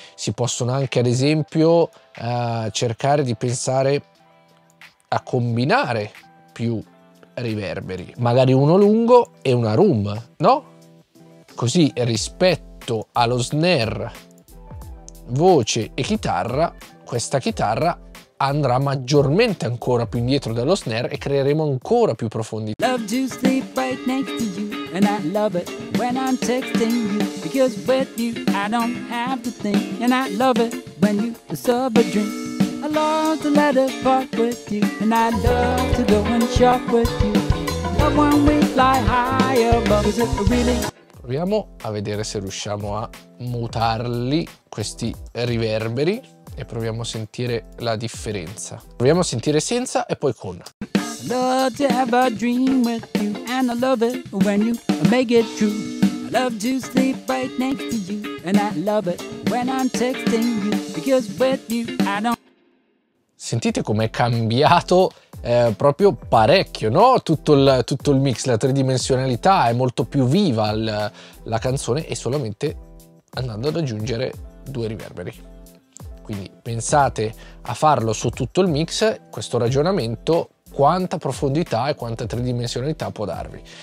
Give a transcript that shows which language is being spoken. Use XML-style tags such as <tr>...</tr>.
<it>Si possono anche ad esempio cercare di pensare a combinare più riverberi, magari uno lungo e una room, no? Così rispetto allo snare, voce e chitarra, questa chitarra andrà maggiormente ancora più indietro dello snare e creeremo ancora più profondità.</it> <en>Love to sleep right next to you, and I love it when I'm texting you, because with you I don't have to think, and I love it when you serve a drink. I love to let it part with you, and I love to go and shop with you. Love when we fly high above, is it really?</en> <it>Proviamo a vedere se riusciamo a mutarli questi riverberi e proviamo a sentire la differenza. Proviamo a sentire senza e poi con.</it> <en>Love to have a dream with you, and I love it when you make it true. I love to sleep right next to you, and I love it when I'm texting you, because with you I don't.</en> <it>Sentite com'è cambiato proprio parecchio, no? Tutto il mix, la tridimensionalità è molto più viva la canzone, e solamente andando ad aggiungere due riverberi. Quindi pensate a farlo su tutto il mix, questo ragionamento, quanta profondità e quanta tridimensionalità può darvi.</it>